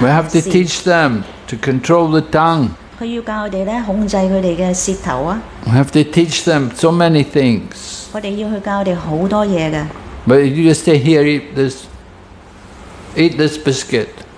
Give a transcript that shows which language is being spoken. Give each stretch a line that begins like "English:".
English: We have to teach them to control the tongue.
Chinese: 他要教他们控制他们的舌头。
English: We have to teach them so many things.
Chinese: 我们要教他们很多东西。
English: But you just say, here, eat this biscuit.